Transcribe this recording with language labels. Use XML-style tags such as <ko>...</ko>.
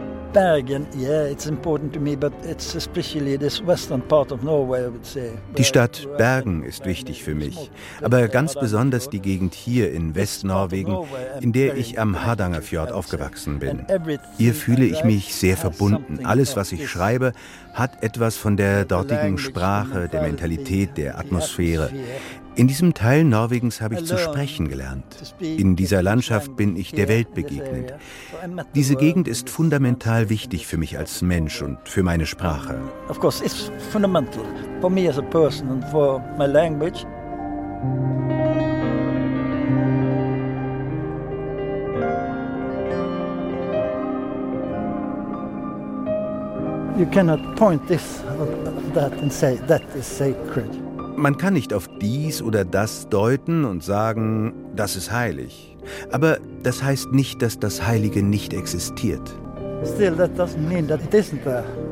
<en>Bergen, yeah, it's important to me, but it's especially this western part of Norway, I would say.</en> <de>Die Stadt Bergen ist wichtig für mich, aber ganz besonders die Gegend hier in Westnorwegen, in der ich am Hardangerfjord aufgewachsen bin. Hier fühle ich mich sehr verbunden. Alles, was ich schreibe, hat etwas von der dortigen Sprache, der Mentalität, der Atmosphäre. In diesem Teil Norwegens habe ich zu sprechen gelernt. In dieser Landschaft bin ich der Welt begegnet. Diese Gegend ist fundamental wichtig für mich als Mensch und für meine Sprache.</de> <en>Of course, it's fundamental for me as a person and for my language. You cannot point this or that and say that is sacred.</en> <de>Man kann nicht auf dies oder das deuten und sagen, das ist heilig. Aber das heißt nicht, dass das Heilige nicht existiert.</de> <en>Still, that doesn't mean that it isn't there.</en>